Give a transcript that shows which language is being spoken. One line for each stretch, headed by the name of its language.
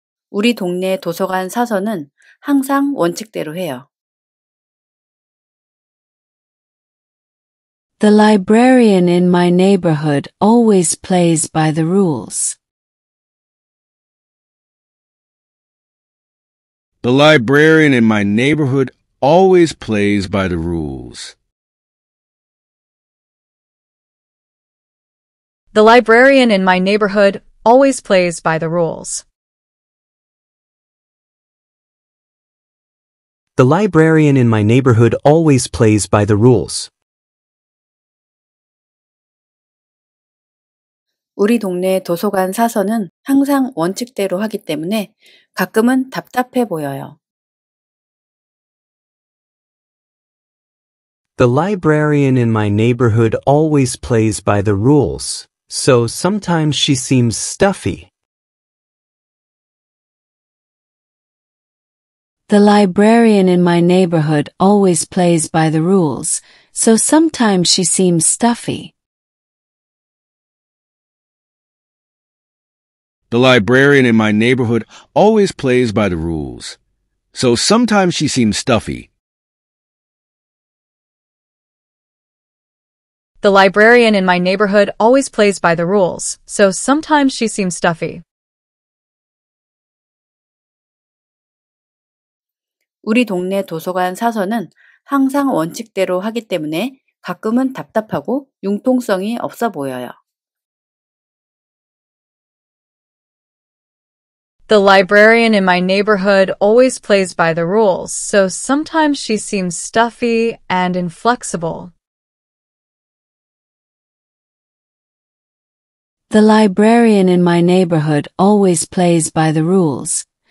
Korean: 우리 동네 도서관 사서는 항상 원칙대로 해요.
English: The librarian in my neighborhood always plays by the rules. The librarian in my neighborhood always plays by the rules. The librarian in my neighborhood always plays by the rules. The librarian in my neighborhood always plays by the rules.
Korean: 우리 동네 도서관 사서는 항상 원칙대로 하기 때문에 가끔은 답답해 보여요.
English: The librarian in my neighborhood always plays by the rules, so sometimes she seems stuffy. The librarian in my neighborhood always plays by the rules, so sometimes she seems stuffy. The librarian in my neighborhood always plays by the rules, so sometimes she seems stuffy. The librarian in my neighborhood always plays by the rules, so sometimes she seems stuffy.
Korean: 우리 동네 도서관 사서는 항상 원칙대로 하기 때문에 가끔은 답답하고 융통성이 없어 보여요.
English: The librarian in my neighborhood always plays by the rules, so sometimes she seems stuffy and inflexible. The librarian in my neighborhood always plays by the rules.